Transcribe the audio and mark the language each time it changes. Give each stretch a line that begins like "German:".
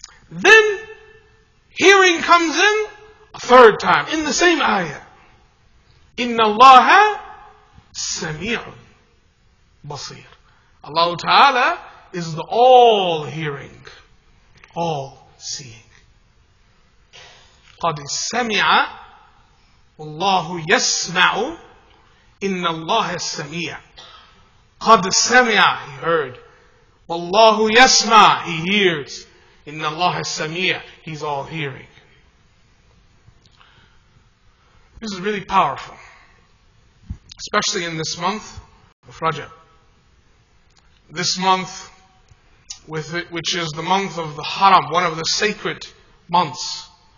English: Then hearing comes in a third time in the same ayah.
Arabic: Inna Allaha Sami'un Basir.
English: Allah Ta'ala is the all hearing, all seeing.
Arabic: قَدْ سَمِعَ وَاللَّهُ يَسْمَعُ إِنَّ اللَّهَ السَّمِيعَ قَدْ سَمِعَ,
English: he heard.
Arabic: وَاللَّهُ يَسْمَعَ,
English: he hears.
Arabic: إِنَّ اللَّهَ السَّمِيعَ,
English: he's all hearing. This is really powerful, especially in this month of Rajab. This month, with it, which is the month of the Haram, one of the sacred months.